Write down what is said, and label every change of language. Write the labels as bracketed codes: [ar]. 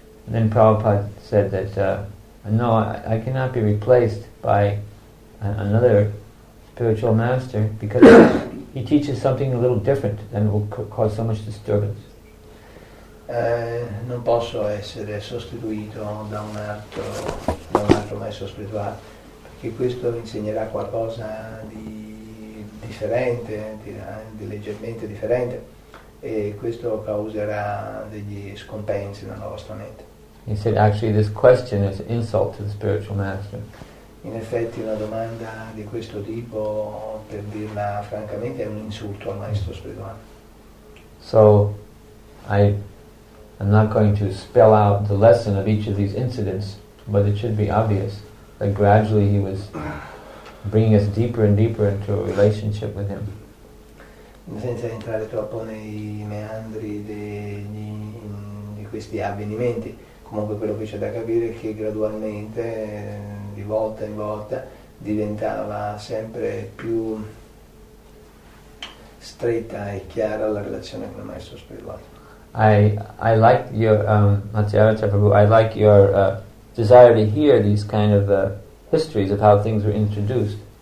[en] And then Prabhupada said that no, I cannot be replaced by another spiritual master because he teaches something a little different and will cause so much disturbance. [it] Non posso essere sostituito da un altro maestro spirituale, che questo insegnerà qualcosa di differente, di leggermente differente, e questo causerà degli scompensi nella vostra mente. [en] He said, actually, this question is an insult to the spiritual master. [it] In effetti, una domanda di questo tipo, per dirla francamente, è un insulto al maestro spirituale. [en] So, I'm not going to spell out the lesson of each of these incidents. But it should be obvious that gradually he was bringing us deeper and deeper into a relationship with him. [it] Senza entrare troppo nei meandri di questi avvenimenti, comunque quello che c'è da capire è che gradualmente, di volta in volta, diventava sempre più stretta e chiara la relazione con il maestro spirituale. [en] I like your Matsyaracha Prabhu, I like your desire to hear these kind of histories of how things were introduced.